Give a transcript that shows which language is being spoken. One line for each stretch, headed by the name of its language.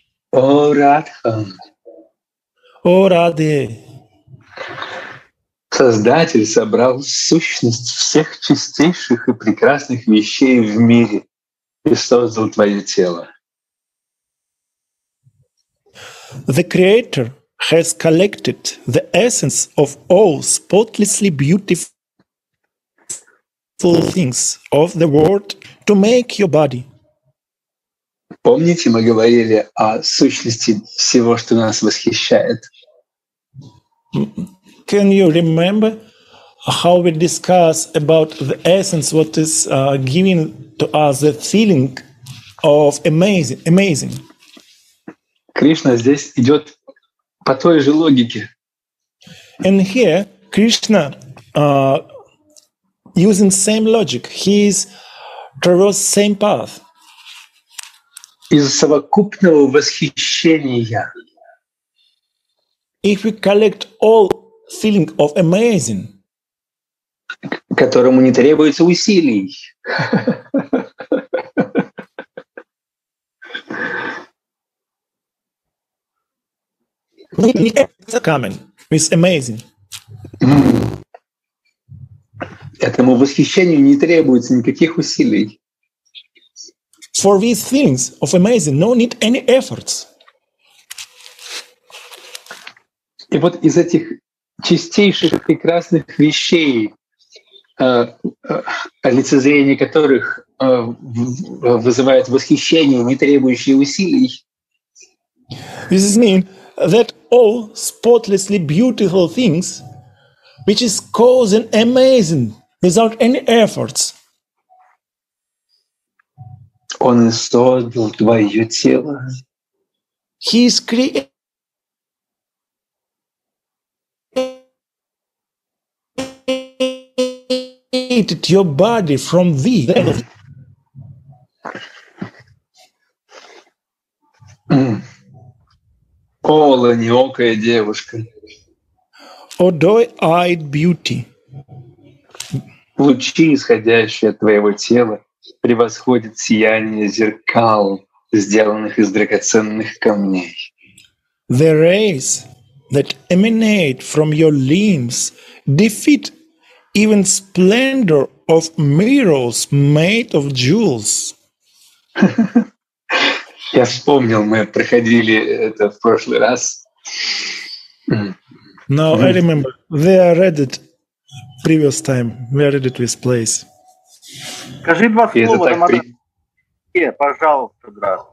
Russian: О, Радха. О, Раде. Создатель собрал сущность всех чистейших и прекрасных вещей в мире и создал твое тело.
English: The Creator has collected the essence of all spotlessly beautiful things of the world to make your body.
Russian: Помните, мы говорили о сущности всего, что нас восхищает?
English: Can you remember how we discuss about the essence, what is giving to us the feeling of amazing.
Russian: Кришна здесь идет по той же логике.
English: And here Krishna using same logic, he is traverse same path.
Russian: Из совокупного восхищения.
English: If we collect all feeling of amazing,
Russian: которому не требуется усилий.
English: It's coming. It's amazing.
Russian: Этому восхищению не требуется никаких усилий.
English: For these things of amazing, no need any efforts.
Russian: И вот из этих чистейших прекрасных вещей, олицезрение которых вызывает восхищение, не требующее усилий.
English: This is mean that all spotlessly beautiful things, which is causing amazing without any efforts.
Russian: Он создал твое тело.
English: He is created. Your body from thee.
Russian: Ола, неокая девушка.
English: О, doe-eyed beauty.
Russian: Лучи, исходящие от твоего тела, превосходят сияние зеркал, сделанных из драгоценных камней.
English: The rays that emanate from your limbs defeat even splendor of mirrors made of jewels.
Russian: Я вспомнил, мы проходили это в прошлый раз.
English: No, I remember. We read it previous time. We read it this place.
Russian: Скажи два слова, Рамадан. Пожалуйста, брат.